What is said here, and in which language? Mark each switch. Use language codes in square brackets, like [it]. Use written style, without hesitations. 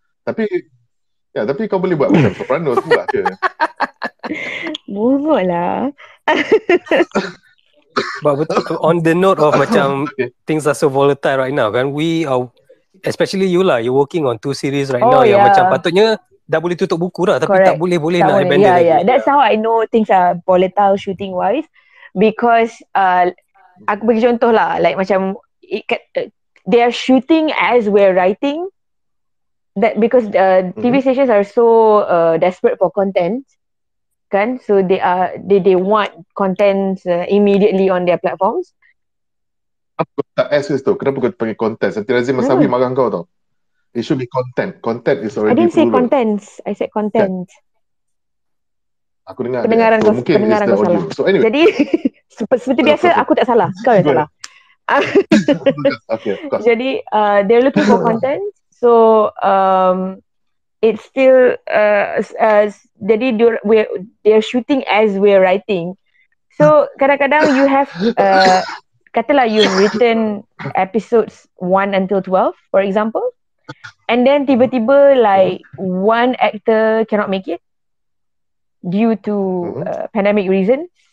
[ms] Tapi kau boleh buat macam soprano tu lah je. Bunuh lah. [en] But on the note of macam things are so volatile right now kan, we are especially you lah, you're working on two series right now. [ms] Yang macam patutnya dah boleh tutup buku dah, tapi tak boleh boleh nak abandon lagi. [en] That's how I know things are volatile shooting wise, because [ms] aku bagi contoh lah, [en] like macam they are shooting as we're writing. That because TV stations are so desperate for content, kan? So they are they want content immediately on their platforms. [ms] Apa kau tak ask tu? Kenapa kau panggil content? Nanti Razim Masawi marah kau tau. [en] It should be content. Content is already. I didn't say contents. I said content. [ms] Yeah. Aku dengar. Pendengaran kau. Mungkin pendengaran kau salah. [en] So anyway. [ms] Jadi seperti biasa aku tak salah. Kau yang salah. Okay. [en] Jadi they're looking for content. So it's still jadi they're shooting as we're writing. So kadang-kadang you have katalah you've written episodes 1 until 12 for example, and then tiba-tiba like one actor cannot make it due to pandemic reasons.